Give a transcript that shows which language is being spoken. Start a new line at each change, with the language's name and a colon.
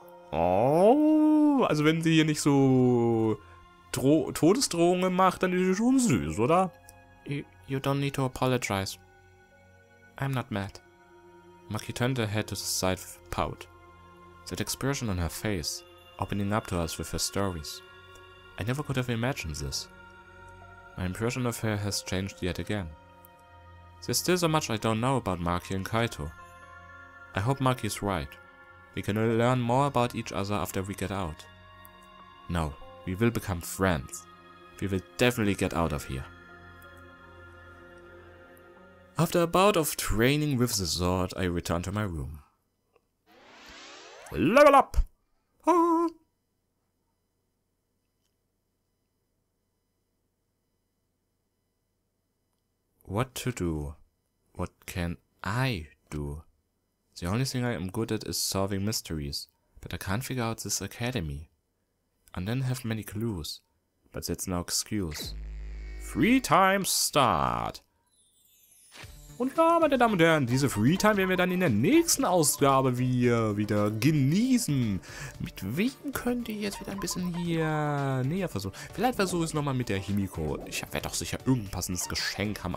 German: Oh, also wenn sie hier nicht so Todesdrohungen macht, dann ist sie schon süß, oder?
English: You don't need to apologize. I'm not mad. Maki turned her head to the side with a pout. That expression on her face, opening up to us with her stories. I never could have imagined this. My impression of her has changed yet again. There's still so much I don't know about Maki and Kaito. I hope Maki is right. We can learn more about each other after we get out. No, we will become friends. We will definitely get out of here. After a bout of training with the sword, I return to my room. Level up! Ah. What to do? What can I do? The only thing I am good at is solving mysteries, but I can't figure out this academy. I then have many clues, but that's no excuse. Free time start!
German: Und ja, meine Damen und Herren, diese Free Time werden wir dann in der nächsten Ausgabe wieder genießen. Mit wem könnt ihr jetzt wieder ein bisschen hier näher versuchen? Vielleicht versuche ich es nochmal mit der Himiko. Ich werde doch sicher irgendein passendes Geschenk haben.